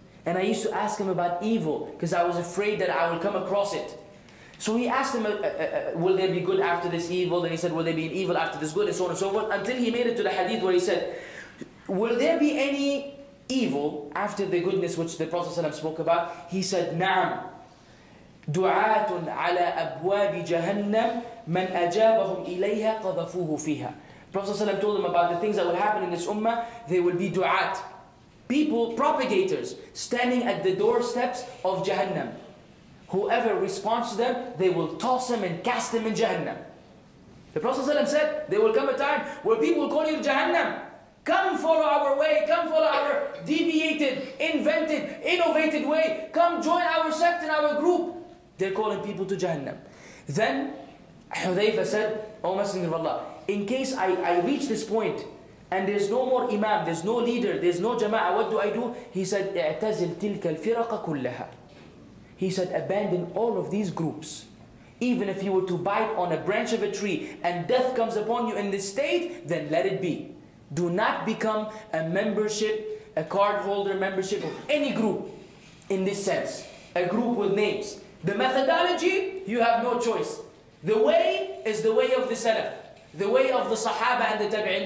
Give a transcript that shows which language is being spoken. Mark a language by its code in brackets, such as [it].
[en] And I used to ask him about evil because I was afraid that I would come across it. So he asked him, will there be good after this evil? And he said, will there be an evil after this good? And so on and so forth. Until he made it to the hadith where he said, will there be any evil after the goodness which the Prophet ﷺ spoke about? He said, na'am. [ar] دعات على أبواب جهنم من أجابهم إليها قذفوه فيها. [en] Prophet ﷺ told them about the things that will happen in this ummah. They will be du'at, people, propagators, standing at the doorsteps of Jahannam. Whoever responds to them, they will toss them and cast them in Jahannam. The Prophet ﷺ said, there will come a time where people will call you Jahannam. Come follow our way, come follow our deviated, invented, innovated way. Come join our sect and our group. They're calling people to Jahannam. Then Hudhayfa said, O Messenger of Allah, in case I reach this point and there's no more imam, there's no leader, there's no jama'ah, what do I do? He said, [ar] اعتزل تلك الفرق كلها. [en] He said, abandon all of these groups. Even if you were to bite on a branch of a tree and death comes upon you in this state, then let it be. Do not become a membership, a cardholder membership of any group in this sense, a group with names. The methodology, you have no choice. The way is the way of the Salaf, the way of the Sahaba and the Tabi'in.